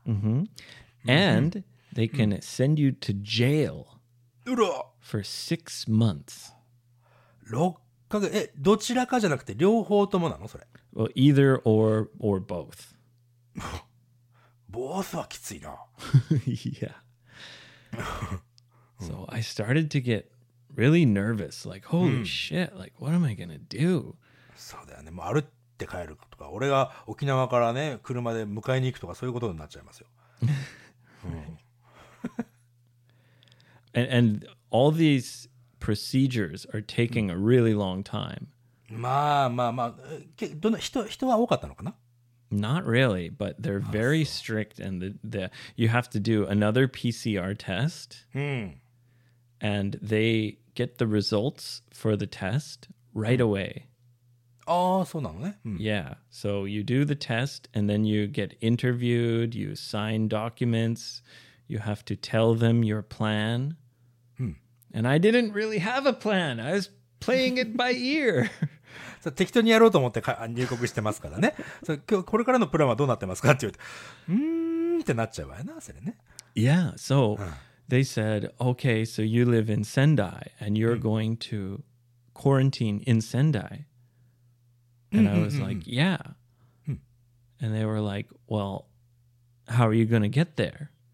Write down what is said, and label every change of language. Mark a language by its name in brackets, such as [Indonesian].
[English] And they can send you to jail for 6 months. [Japanese] 6ヶ月、え、どちらかじゃなくて両方ともなのそれ。 [English] Well, either or both. [Japanese] Both はきついな。 [English] Yeah. So I started to get really nervous. Like, holy shit, like, what am I gonna do? [Japanese] そうだよね。もう歩って帰るとか、俺が沖縄からね、車で迎えに行くとか、そういうことになっちゃいますよ。 [English] and all these... Procedures are taking a really long time. [Japanese] まあまあまあ、どの人は多かったのかな? [English] Not really, but they're very strict, and you have to do another PCR test. And they get the results for the test right away. [Japanese] ああ、そうなのね。 [English] Yeah, so you do the test, and then you get interviewed, you sign documents, you have to tell them your plan. And I didn't really have a plan. I was playing it by ear. [Japanese] 適当にやろうと思って入国してますからね。これからのプランはどうなってますかって言うと、ってなっちゃうわよな、それね。 [English] Yeah, so they said, okay, so you live in Sendai and you're going to quarantine in Sendai. And I was like, yeah. And they were like, well, how are you going to get there?